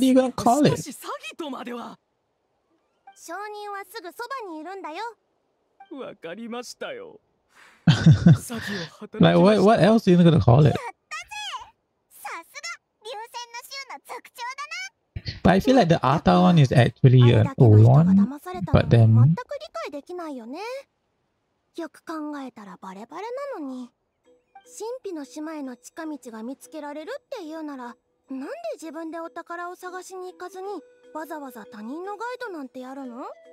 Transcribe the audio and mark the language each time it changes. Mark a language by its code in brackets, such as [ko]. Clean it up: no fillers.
[ja] しかし詐欺とまでは。証人はすぐそばにいるんだよ。わかりましたよ。詐欺を働きました。 [en] what else are you gonna call it? [ja] やったぜ。さすが流線の州の族長だな。 [en] But I feel like the Ata one is actually an old one. But then [ja] 全く理解できないよね。よく考えたらバレバレなのに、神秘の島への近道が見つけられるっていうなら、なんで自分でお宝を探しに行かずにわざわざ他人のガイドなんてやるの？